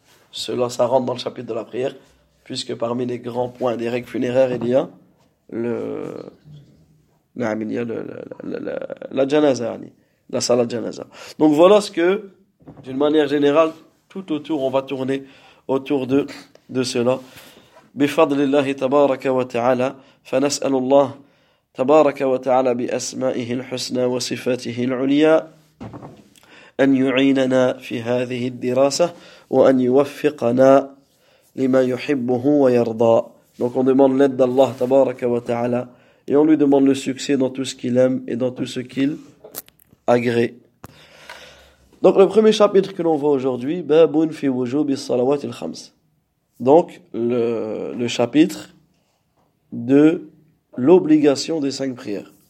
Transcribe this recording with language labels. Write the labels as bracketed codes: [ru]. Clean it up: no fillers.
[fr] Cela, ça rentre dans le chapitre de la prière. Puisque parmi les grands points des règles funéraires, il y a la janaza, la salat janaza. Donc voilà ce que, d'une manière générale, tout autour, on va tourner autour de cela. [ar] Bifadlillahi tabaraka wa ta'ala, fa nas'alullah تبارك وتعالى بأسمائه الحسنى وصفاته العليا أن يعيننا في هذه الدراسة وأن يوفقنا لما يحبه ويرضى. [fr] Donc on demande l'aide d'Allah [ar] تبارك وتعالى [fr] et on lui demande le succès dans tout ce qu'il aime et dans tout ce qu'il agrée. Donc le premier chapitre que l'on voit aujourd'hui, [ar] بابٌ في وجوب الصلوات الخمس. [fr] Donc le chapitre de l'obligation des cinq prières.